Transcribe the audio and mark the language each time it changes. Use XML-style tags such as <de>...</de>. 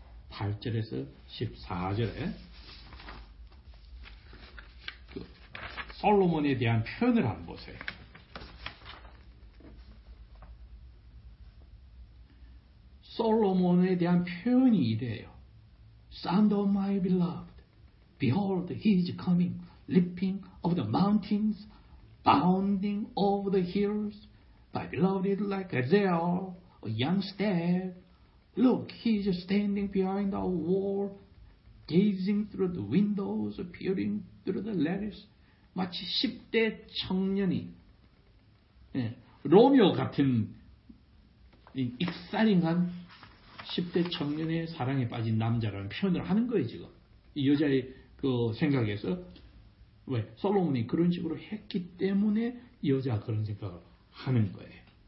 <ko>8절에서 14절에 그 솔로몬에 대한 표현을 한번 보세요. 솔로몬에 대한 표현이 이래요.</ko> <en>Son of my beloved, behold, he is coming, leaping over the mountains, bounding over the hills. My beloved is like a deer, a young stag. Look, he is standing behind our wall, gazing through the windows, peering through the lattice.</en> <ko>마치 10대 청년이, 로미오 같은 익살잉한 10대 청년의 사랑에 빠진 남자라는 표현을 하는 거예요, 지금. 이 여자의 그 생각에서. 왜? 솔로몬이 그런 식으로 했기 때문에 이 여자가 그런 생각을 하는 거예요.</ko>